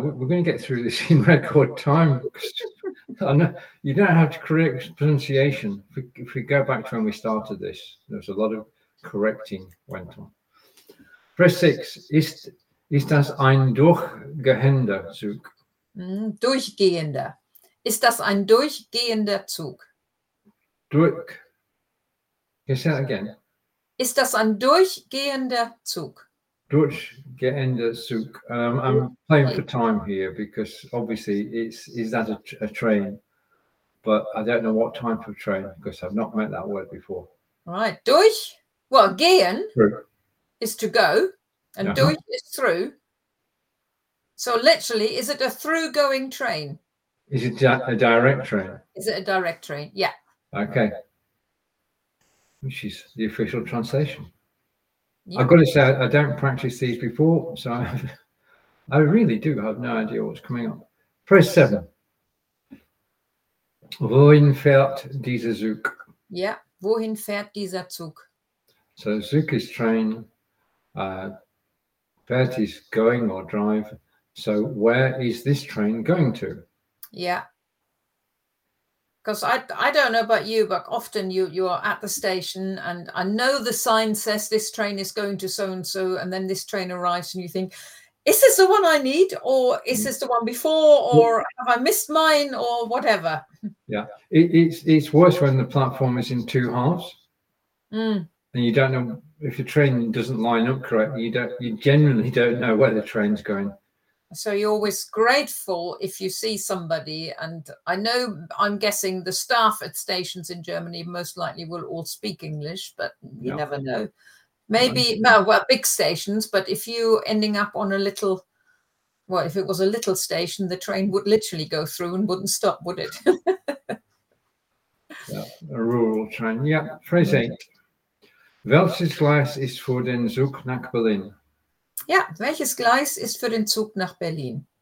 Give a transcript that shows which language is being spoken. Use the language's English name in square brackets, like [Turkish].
[English] We're going to get through this in record time. I know you don't have to correct pronunciation. If we go back to when we started this, there's a lot of correcting went on. Phrase six, [German] ist das ein durchgehender Zug? Durchgehender. Ist das ein durchgehender Zug? [English] Durch. Can you say that again? [German] Ist das ein durchgehender Zug? Durchgehender Zug. [English] I'm playing for time here because obviously is that a train? But I don't know what time for train because I've not met that word before. Right. Durch. Well, gehen is to go and durch is through. So literally, is it a through going train? Is it a direct train? Is it a direct train? Yeah. Okay. Which is the official translation. Yep. I've got to say, I don't practice these before, so I really do have no idea what's coming up. Phrase seven. [German] Wohin fährt dieser Zug? [English] Yeah, [German] wohin fährt dieser Zug? [English] So Zug is train, fährt is going or drive. So where is this train going to? Yeah. Because I don't know about you, but often you are at the station and I know the sign says this train is going to so-and-so and then this train arrives and you think, is this the one I need or is this the one before or have I missed mine or whatever? Yeah, it's worse when the platform is in two halves and you don't know if the train doesn't line up correctly. You generally don't know where the train's going. So you're always grateful if you see somebody. And I know, I'm guessing the staff at stations in Germany most likely will all speak English, but you never know. Maybe, big stations, but if you ending up on a little, if it was a little station, the train would literally go through and wouldn't stop, would it? Yeah, a rural train. Yeah, phrase eight. [German] Welches Gleis ist für den Zug nach Berlin? [English] Yeah, [German] welches Gleis ist für den Zug nach Berlin?